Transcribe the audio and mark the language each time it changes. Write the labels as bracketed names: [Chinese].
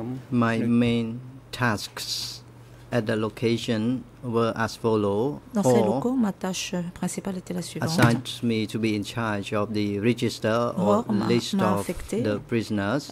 [English] My main tasks at the location were as follows. [French] Dans ces locaux, ma tâche principale était la suivante. [English] Assigned me to be in charge of the register or list of the prisoners.